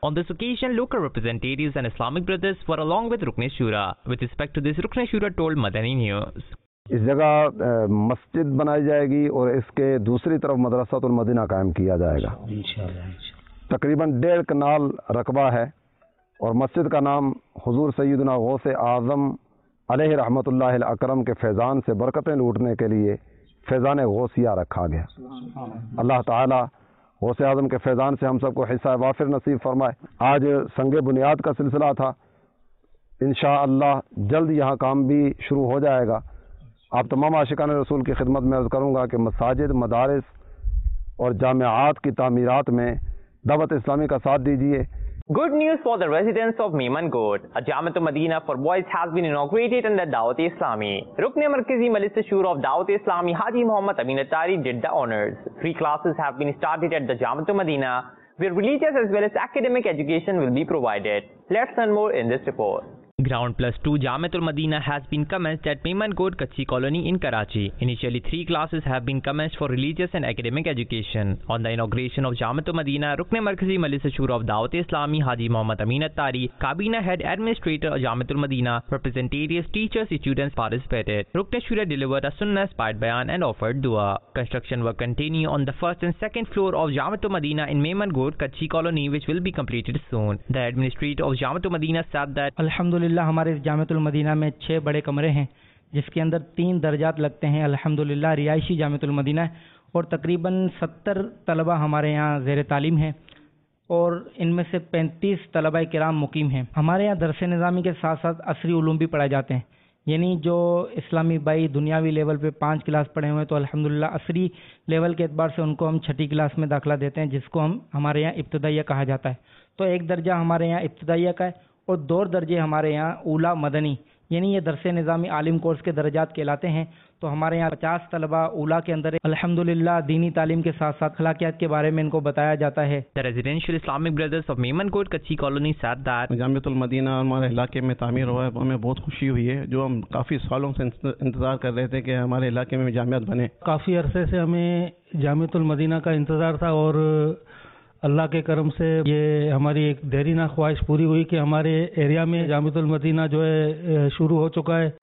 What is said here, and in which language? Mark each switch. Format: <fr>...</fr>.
<en>On this occasion, local representatives and Islamic brothers were along with Rukneshwara. With respect to this, Rukneshwara told Madani News.</en> <ur>اس جگہ مسجد بنائی جائے گی اور اس کے دوسری طرف مدرسۃ المدینہ قائم کیا جائے گا. تقریباً 1.5 کنال رقبہ ہے اور مسجد کا نام حضور سیدنا غوث اعظم علیہ رحمۃ اللہ الاکرم کے فیضان سے برکتیں لوٹنے کے لیے فیضان غوثیہ رکھا گیا. اللہ تعالیٰ غوث اعظم کے فیضان سے ہم سب کو حصہ وافر نصیب فرمائے. آج سنگ بنیاد کا سلسلہ تھا، انشاءاللہ جلد یہاں کام بھی شروع ہو جائے گا. آپ تمام عاشقان رسول کی خدمت میں عرض کروں گا کہ مساجد، مدارس اور جامعات کی تعمیرات میں دعوت اسلامی کا ساتھ دیجیے.</ur> <en>Good news for the residents of Meman Goat. A Jamaat Madina for boys has been inaugurated under Dawat Islami. Rukne Markazi Majlis Shura of Dawat Islami Haji Muhammad Amin Attari did the honors. Free classes have been started at the Jamaat Madina where religious as well as academic education will be provided. Let's learn more in this report. Ground Plus 2 Jamaat al-Madina has been commenced at Meman Goat Kachhi Colony in Karachi. Initially, 3 classes have been commenced for religious and academic education. On the inauguration of Jamaat al-Madina, Rukn-e-Markazi Majlis Shura of Dawat-e-Islami Haji Muhammad Amin Attari, Cabinet Head Administrator of Jamaat al-Madina, representatives, teachers, students participated. Rukn-e-Shura delivered a sunnah-inspired bayan and offered dua. Construction work continue on the first and second floor of Jamaat al-Madina in Meman Goat Kachhi Colony, which will be completed soon. The administrator of Jamaat al-Madina said that</en> <ur>الحمدللہ ہمارے اس جامعۃ المدینہ میں 6 بڑے کمرے ہیں جس کے اندر 3 درجات لگتے ہیں. الحمدللہ رہائشی جامعۃ المدینہ ہے اور تقریباً 70 طلبہ ہمارے یہاں زیر تعلیم ہیں اور ان میں سے 35 طلبہ کرام مقیم ہیں. ہمارے یہاں درس نظامی کے ساتھ ساتھ عصری علوم بھی پڑھائے جاتے ہیں، یعنی جو اسلامی بھائی دنیاوی لیول پہ 5 کلاس پڑھے ہوئے ہیں تو الحمدللہ عصری لیول کے اعتبار سے ان کو ہم 6ٹی کلاس میں داخلہ دیتے ہیں، جس کو ہمارے یہاں ابتدائیہ کہا جاتا ہے. تو 1 درجہ ہمارے یہاں ابتدائیہ کا ہے اور 2 درجے ہمارے یہاں اولا مدنی، یعنی یہ درس نظامی عالم کورس کے درجات کہلاتے ہیں. تو ہمارے یہاں 50 طلبہ اولا کے اندر الحمدللہ دینی تعلیم کے ساتھ ساتھ اخلاقیات کے بارے میں ان کو بتایا جاتا ہے.</ur> <en>The residential Islamic Brothers of Meman Goat Kachhi Colony said that</en> <ur>جامعت المدینہ ہمارے علاقے میں تعمیر ہوا ہے، ہمیں بہت خوشی ہوئی ہے. جو ہم کافی سالوں سے انتظار کر رہے تھے کہ ہمارے علاقے میں جامعات بنے، کافی عرصے سے ہمیں جامعت المدینہ کا انتظار تھا اور اللہ کے کرم سے یہ ہماری ایک دیرینہ خواہش پوری ہوئی کہ ہمارے ایریا میں جامعۃ المدینہ جو ہے شروع ہو چکا ہے.</ur>